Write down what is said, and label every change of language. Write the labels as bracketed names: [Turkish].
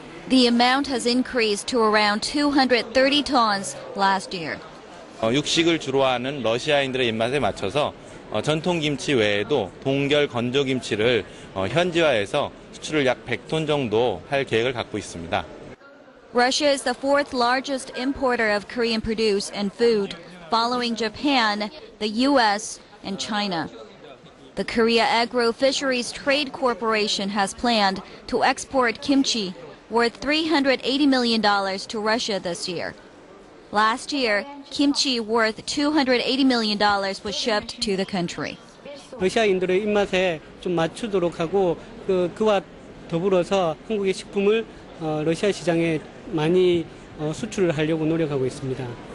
[English] The amount has increased to around 230 tons last year. [Korean] 육식을 주로 하는 러시아인들의 입맛에 맞춰서 전통 김치 외에도 동결 건조 김치를 현지화해서 수출을 약 100톤 정도 할 계획을 갖고 있습니다. [English] Russia is the fourth largest importer of Korean produce and food, following Japan, the U.S., and China. The Korea Agro Fisheries Trade Corporation has planned to export kimchi worth $380 million to Russia this year. Last year, kimchi worth $280 million was shipped to the country. [Korean] 러시아인들의 입맛에 좀 맞추도록 하고 그와 더불어서 한국의 식품을 러시아 시장에 많이 수출을 하려고 노력하고 있습니다.